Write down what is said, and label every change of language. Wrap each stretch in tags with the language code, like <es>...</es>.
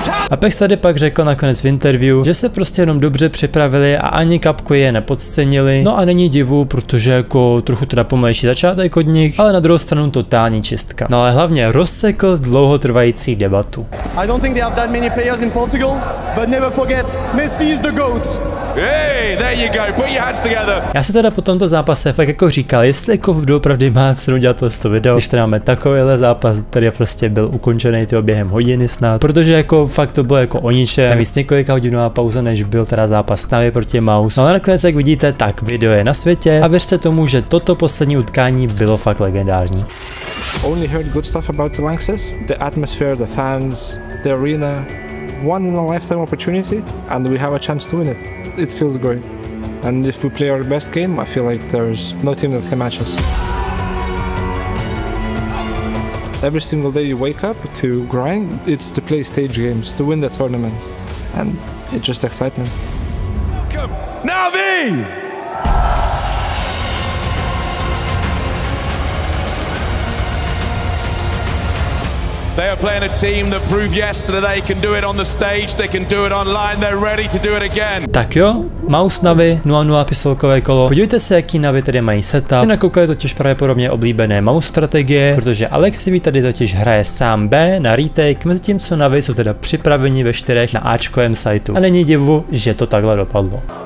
<cs>Apex tady pak řekl nakonec v interview, že se prostě jenom dobře připravili a ani kapku je nepodcenili. No a není divu, protože jako trochu teda pomalejší začátek od nich, ale na druhou stranu totální čistka. No ale hlavně rozsekl dlouhotrvající debatu.</cs> <en>I don't think they have that many players in Portugal, but never forget, Messi is the GOAT. Hey, there you go. Put your hands together.</en> <cs>Já se teda po tomto zápase fakt jako říkal, jestli jako doopravdy má cenu dělat to video, když tady máme takovýhle zápas, který prostě byl ukončený tyho během hodiny snad, protože jako fakt to bylo jako o ničem, navíc několika hodinová pauza, než byl teda zápas Navi proti Maus. No ale nakonec, jak vidíte, tak video je na světě a věřte tomu, že toto poslední utkání bylo fakt legendární.</cs> <en>Only heard good stuff about the Lanxess, the atmosphere, the fans, the arena. One in a lifetime opportunity and we have a chance to win it. It feels great. And if we play our best game, I feel like there's no team that can match us. Every single day you wake up to grind, it's to play stage games, to win the tournaments. And it's just excitement. Welcome, Navi! They are playing a team that proved yesterday they can do it on the stage, they can do it online, they're ready to do it again.</en> <cs>Tak jo, Maus Navi, 0-0 pistolkové kolo. Podívejte se, jaký Navi tady mají setup. Ty nakoukali totiž pravděpodobně oblíbené Maus strategie, protože Alexivy tady totiž hraje sám B na retake, mezi tím co Navi jsou teda připraveni ve čtyřech na Ačkovém siteu. A není divu, že to takhle dopadlo.</cs>